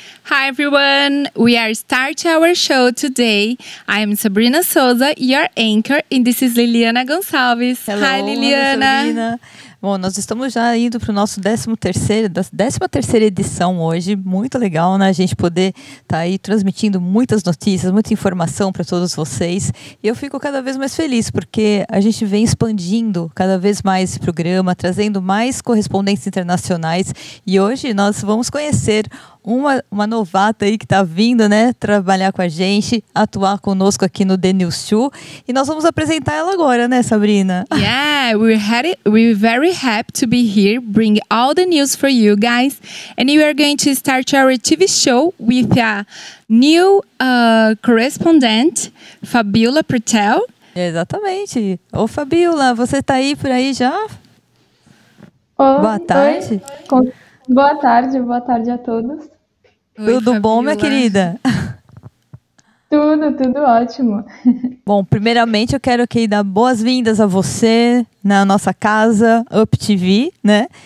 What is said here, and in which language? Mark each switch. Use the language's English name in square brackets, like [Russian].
[English] Hi everyone, we are starting our show today. I am Sabrina Souza, your anchor, and this is Liliana Gonçalves. Hello, hi Liliana. [Portuguese] Bom, nós estamos já indo para o nosso 13ª edição hoje. Muito legal, né? A gente poder estar aí transmitindo muitas notícias, muita informação para todos vocês. E eu fico cada vez mais feliz, porque a gente vem expandindo cada vez mais esse programa, trazendo mais correspondentes internacionais. E hoje nós vamos conhecer uma novata aí que está vindo, né? Trabalhar com a gente, atuar conosco aqui no The News 2. E nós vamos apresentar ela agora, né, Sabrina? [English] Yeah, we're very happy to be here, bring all the news for you guys. And we are going to start our TV show with a new correspondent, Fabiola Pretel. [Portuguese] Exatamente. Ô, Fabiola, você está aí por aí já? Oi, boa tarde. Oi. Boa tarde a todos. Oi, tudo Fabiola. Bom, minha querida? Tudo ótimo. Bom, primeiramente eu quero aqui dar boas-vindas a você na nossa casa Up TV, né?